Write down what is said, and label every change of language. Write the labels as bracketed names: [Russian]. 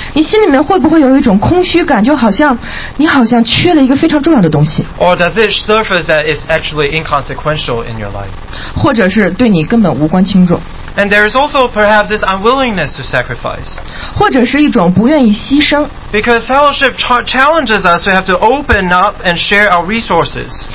[Chinese] 你心里面会不会有一种空虚感，就好像你好像缺了一个非常重要的东西？ [English] Or does it surface that it's actually inconsequential in your life? [Chinese] 或者是对你根本无关轻重？ [English] And there is also perhaps this unwillingness to sacrifice. [Chinese] 或者是一种不愿意牺牲？ [English] Because fellowship challenges us to have to open up and share our resources.